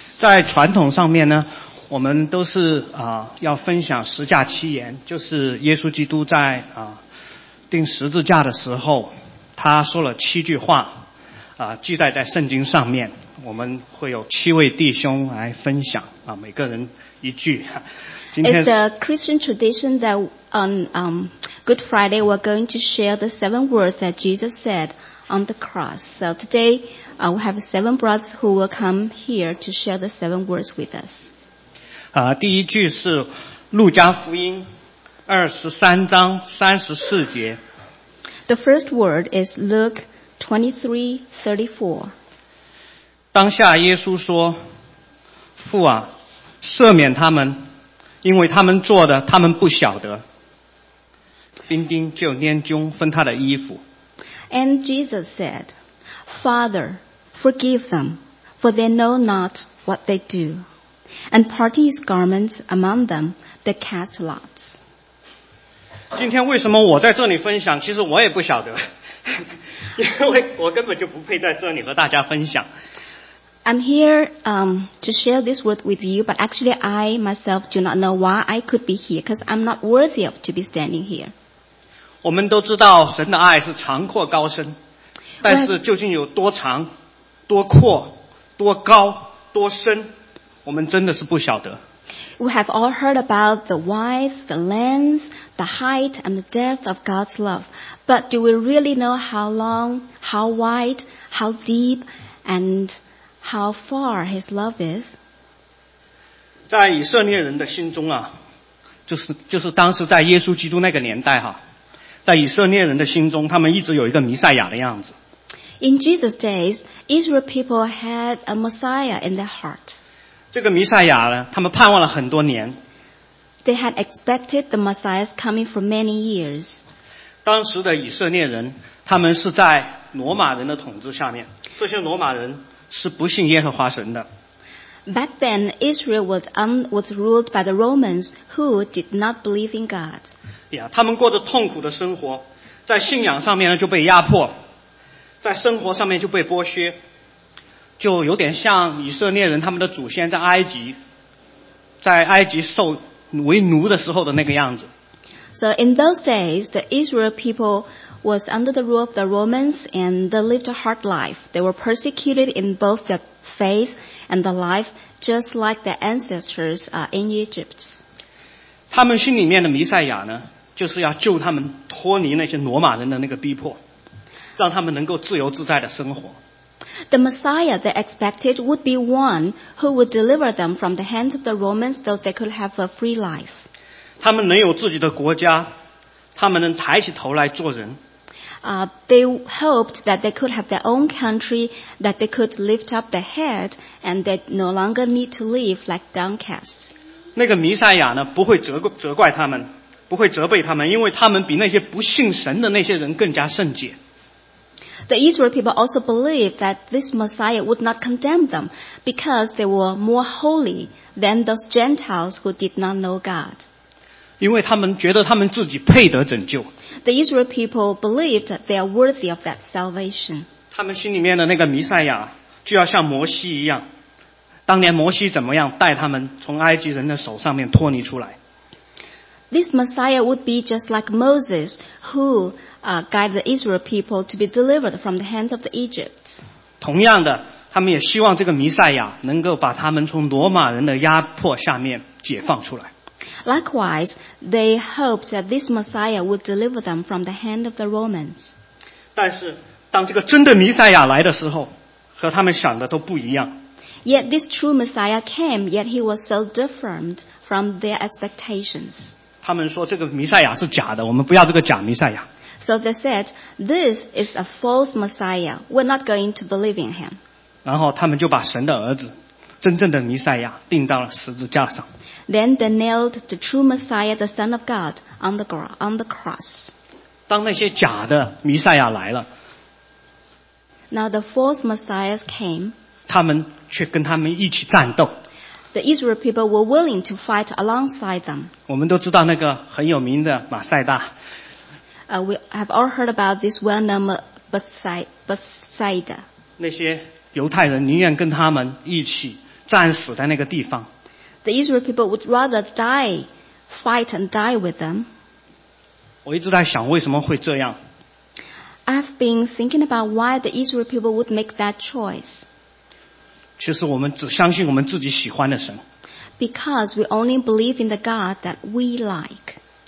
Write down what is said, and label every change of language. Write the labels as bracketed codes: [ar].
[zh] 在传统上面呢，我们都是要分享十架七言，就是耶稣基督在钉十字架的时候，他说了七句话，记载在圣经上面。我们会有七位弟兄来分享每个人一句。 [en] It's the Christian tradition that on Good Friday we're going to share the seven words that Jesus said on the cross. So today we have seven brothers who will come here to share the seven words with us. [zh] 第一句是路加福音23:34. [en] The first word is Luke 23:34. [zh] 当下耶稣说，父啊，赦免他们，因为他们做的他们不晓得。兵丁就拈阄分他的衣服。 [en] And Jesus said, Father, forgive them, for they know not what they do. And parting his garments among them, they cast lots. [zh] 今天为什么我在这里分享，其实我也不晓得。因为我根本就不配在这里和大家分享。 [en] I'm here to share this word with you, but actually I myself do not know why I could be here, because I'm not worthy of to be standing here. [zh] 我们都知道神的爱是长阔高深，但是究竟有多长、多阔、多高、多深，我们真的是不晓得。 [en] We have all heard about the width, the length, the height, and the depth of God's love. But do we really know how long, how wide, how deep, and how far his love is? [zh] 在以色列人的心中啊，就是当时在耶稣基督那个年代哈，在以色列人的心中，他们一直有一个弥赛亚的样子。 [en] In Jesus' days, Israel people had a Messiah in their heart. [zh] 这个弥赛亚呢，他们盼望了很多年。 [en] They had expected the Messiah's coming for many years. [zh] 当时的以色列人，他们是在罗马人的统治下面，这些罗马人是不信耶和华神的。 [en] Back then, Israel was ruled by the Romans who did not believe in God. [zh] Yeah, 他们过着痛苦的生活，在信仰上面就被压迫，在生活上面就被剥削，就有点像以色列人他们的祖先在埃及受为奴的时候的那个样子。 [en] So in those days, the Israel people was under the rule of the Romans and they lived a hard life. They were persecuted in both the faith and the life, just like their ancestors in Egypt. [zh] 他们心里面的弥赛亚呢，就是要救他们脱离那些罗马人的那个逼迫，让他们能够自由自在的生活。 [en] The Messiah they expected would be one who would deliver them from the hands of the Romans so they could have a free life. [zh] 他们能有自己的国家，他们能抬起头来做人。 [en] They hoped that they could have their own country, that they could lift up their head, and they no longer need to live like downcast. [zh] 那个弥赛亚呢，不会责怪他们，不会责备他们，因为他们比那些不信神的那些人更加圣洁。 [en] The Israel people also believed that this Messiah would not condemn them because they were more holy than those Gentiles who did not know God. [zh] 因为他们觉得他们自己配得拯救。 [en] The Israel people believed that they are worthy of that salvation. [zh] 他们心里面的那个弥赛亚就要像摩西一样，当年摩西怎么样带他们从埃及人的手上面脱离出来。 [en] This Messiah would be just like Moses who guided the Israel people to be delivered from the hands of the Egypt. [zh] 同样的，他们也希望这个弥赛亚能够把他们从罗马人的压迫下面解放出来。 [en] Likewise, they hoped that this Messiah would deliver them from the hand of the Romans. [zh] 但是当这个真的弥赛亚来的时候，和他们想的都不一样。 [en] Yet this true Messiah came, yet he was so different from their expectations. [zh] 他们说这个弥赛亚是假的，我们不要这个假弥赛亚。 [en] So they said, this is a false Messiah. We're not going to believe in him. [zh] 然后他们就把神的儿子，真正的弥赛亚钉到了十字架上。 [en] Then they nailed the true Messiah, the Son of God, on the cross. [zh] 当那些假的弥赛亚来了， [en] Now the false Messiahs came. [zh] 他们却跟他们一起战斗。 [en] The Israel people were willing to fight alongside them. [zh] 我们都知道那个很有名的马赛大。 [en] We have all heard about this well-known Bethsaida. [zh] 那些犹太人宁愿跟他们一起战死的那个地方。 [en] The Israel people would rather die, fight and die with them. [zh] 我一直在想为什么会这样。 [en] I've been thinking about why the Israel people would make that choice. [zh] 其实我们只相信我们自己喜欢的神。 [en] Because we only believe in the God that we like.